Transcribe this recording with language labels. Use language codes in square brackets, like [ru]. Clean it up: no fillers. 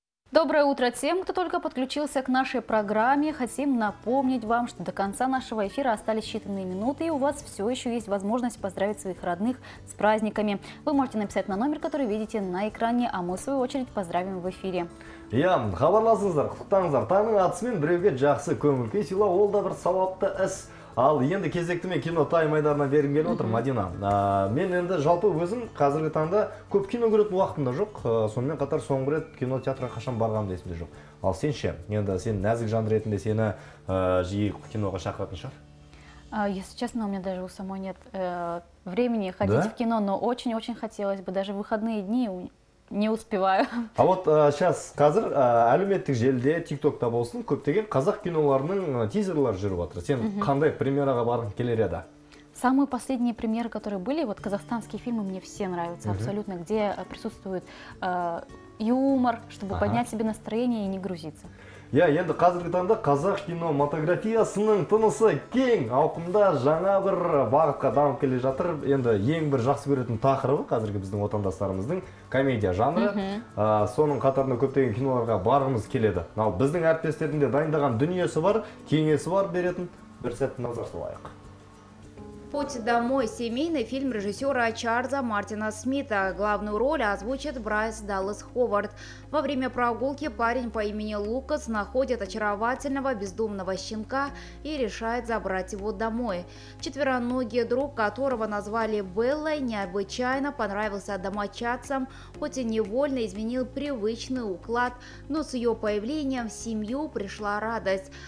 [ru] Доброе утро тем, кто только подключился к нашей программе. Хотим напомнить вам, что до конца нашего эфира остались считанные минуты, и у вас все еще есть возможность поздравить своих родных с праздниками. Вы можете написать на номер, который видите на экране, а мы, в свою очередь, поздравим в эфире. [kk] Я, хабарласыңыздар, құттықтаңыздар. Таңның атысымен біреуге жақсы көңіл күй сыйлау, ол да бір сауапты іс. Ал енді кезекті мен кино таймайдарына бергім келіп отыр, Мадина. Мен енді жалпы өзім қазіргі таңда көп кино көретін уақытым да жоқ. Сонымен қатар соңғы рет кинотеатрға қашан барғаным да есімде жоқ. Ал сен ше, енді сен нәзік жан ретінде сені жиі киноға шақыратын шығар? [ru] Если честно, у меня даже у самой нет времени ходить в кино, но очень-очень хотелось бы, даже в выходные дни не успеваю. А вот сейчас [kk] қазір әлеуметтік желіде, ТикТокта болсын, көптеген қазақ киноларының тизерлері жүріп жатыр. Сен қандай премьераға барғың келер еді? [ru] Самые последние премьеры, которые были, вот казахстанские фильмы мне все нравятся абсолютно, где присутствует юмор, чтобы поднять себе настроение и не грузиться. [kk] Я енді қазіргі таңда қазақ кинематографиясының тынысы кең ауқымда жаңа бір бағытқа дамып келе жатыр. Енді ең бір жақсы көретін тақырыбы қазіргі біздің отандастарымыздың комедия жанры. Соның қатарында көптеген киноларға барғымыз келеді. Ал біздің әріптестерінде дайындаған дүниесі бар, кеңесі бар беретін бір сәтті назар салайық. [ru] «Путь домой» – семейный фильм режиссера Чарльза Мартина Смита. Главную роль озвучит Брайс Даллас Ховард. Во время прогулки парень по имени Лукас находит очаровательного бездомного щенка и решает забрать его домой. Четвероногий друг, которого назвали Беллой, необычайно понравился домочадцам, хоть и невольно изменил привычный уклад, но с ее появлением в семью пришла радость.